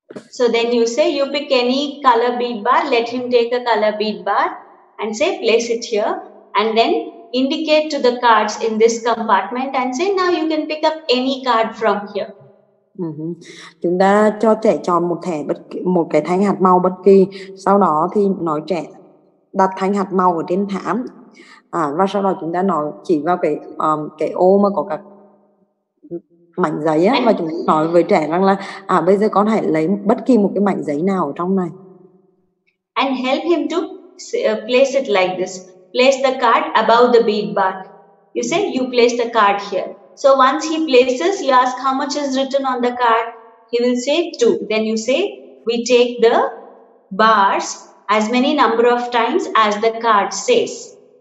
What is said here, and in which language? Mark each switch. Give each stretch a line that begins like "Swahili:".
English: So then you say you pick any color bead bar, let him take a color bead bar and say place it here, and then indicate to the cards in this compartment and say now you can pick up any card from here.
Vietnamese: Chúng ta cho trẻ chọn một cái thanh hạt màu bất kỳ, sau đó thì nói trẻ đặt thanh hạt màu ở trên thảm, và sau đó chúng ta nói chỉ vào cái ô mà có các mảnh giấy á, và chúng nói với trẻ rằng là à bây giờ con hãy lấy bất kỳ một cái mảnh giấy nào ở trong này.
English: And help him to place it like this. Place the card above the bead bark. You say you place the card here. So once he places, you ask how much is written on the card. He will say 2. Then you say we take the bars as many number of times as the card says.